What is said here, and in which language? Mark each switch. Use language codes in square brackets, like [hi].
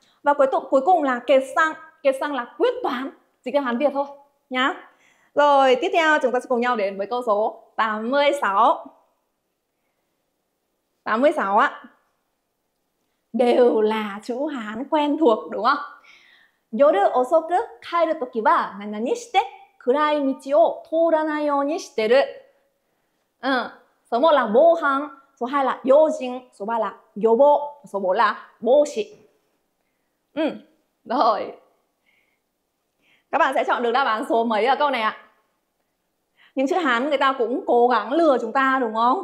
[vi] Và cuối cùng là 結算. 結算 là quyết toán, dịch theo Hán Việt thôi nhá. Rồi, tiếp theo chúng ta sẽ cùng nhau đến với câu số 86. 86 á. Đều là chữ Hán quen thuộc đúng không? [ja] 夜遅く帰るときは何々して暗い道を通らないようにしてる. [vi] Số 1 là 防犯, số 2 là 用心, số 3 là 予防, số 4 là 防止. Rồi. Các bạn sẽ chọn được đáp án số mấy ở câu này ạ? Những chữ Hán người ta cũng cố gắng lừa chúng ta đúng không?